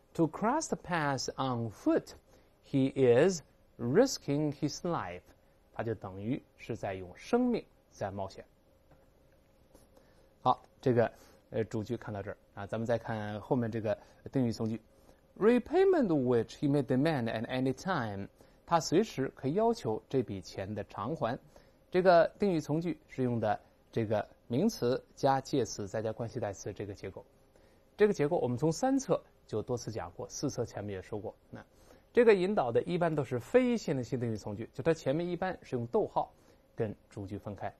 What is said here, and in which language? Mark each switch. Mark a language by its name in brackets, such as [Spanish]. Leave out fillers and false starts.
[English] To cross the path on foot, he is risking his life. [Chinese] 他就等于是在用生命在冒险。好，这个主句看到这儿啊，咱们再看后面这个定语从句。 [English] Repayment which he may demand at any time. [Chinese] 他随时可以要求这笔钱的偿还。这个定语从句是用的这个名词加介词再加关系代词这个结构。这个结构我们从三册就多次讲过，四册前面也说过。那这个引导的一般都是非线性的定语从句，就它前面一般是用逗号跟主句分开。